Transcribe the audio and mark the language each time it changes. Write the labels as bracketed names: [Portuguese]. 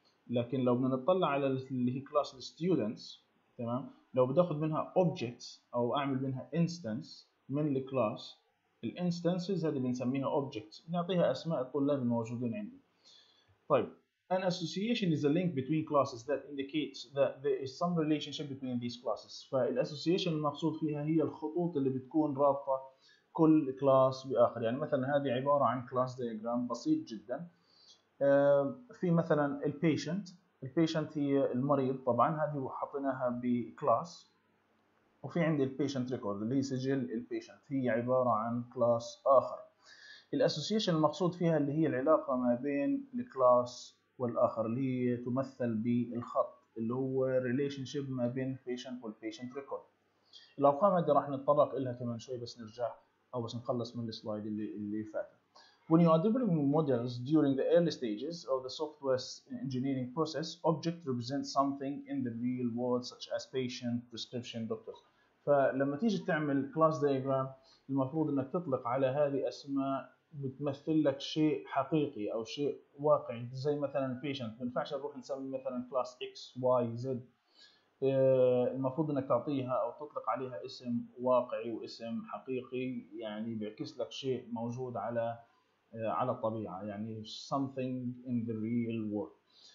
[Arabic] لكن لو بدنا نطلع على اللي هي class students، تمام، لو بدي أخذ منها objects أو أعمل منها instance من الكلاس، الانستانسز هذه بنسميها objects، نعطيها أسماء الطلاب الموجودين عندي. [English] طيب an association is a link between classes that indicates that there is some relationship between these classes. [Arabic] فالassociation المقصود فيها هي الخطوط اللي بتكون رابطة كل class بآخر. يعني مثلا هذه عبارة عن class diagram بسيط جدا. في مثلا الpatient, الpatient هي المريض طبعا, هذه حطيناها بclass. وفي عندي الpatient record اللي هي سجل الpatient, هي عبارة عن class آخر. الassociation المقصود فيها اللي هي العلاقة ما بين الclass والآخر اللي هي تمثل بالخط اللي هو relationship ما بين patient والpatient record. الأرقام هذه راح نتطرق إلها كمان شوي بس نرجع أو بس نخلص من السلايد اللي فات. [English] When you are developing models during the early stages of the software engineering process, object represents something in the real world such as patient, prescription, doctors. [Arabic] فلما تيجي تعمل class diagram المفروض انك تطلق على هذه اسماء بتمثل لك شيء حقيقي او شيء واقعي, زي مثلا patient. ما ينفعش نروح نسمي مثلا class X, Y, Z. المفروض انك تعطيها او تطلق عليها اسم واقعي واسم حقيقي, يعني بيعكس لك شيء موجود على الطبيعة, يعني [English] something in the real world.